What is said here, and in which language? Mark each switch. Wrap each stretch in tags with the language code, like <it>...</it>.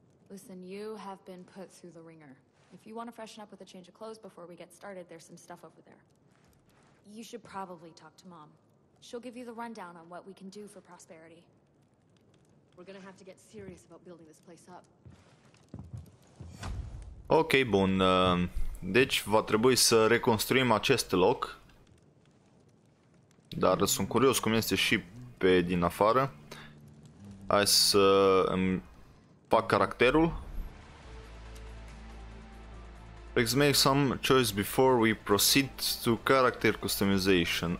<en>Listen, you have been put through the ringer. If you want to freshen up with a change of clothes before we get started, there's some stuff over there. You should probably talk to Mom. She'll give you the rundown on what we can do for Prosperity. We're gonna have to get serious about building this place up.</en> <ro>Okay, bun. Deci va trebui să reconstruim acest loc. Dar sunt curios cum este și pe din afară. Hai să îmi fac caracterul.</ro> <en>Let's make some choice before we proceed to character customization.</en>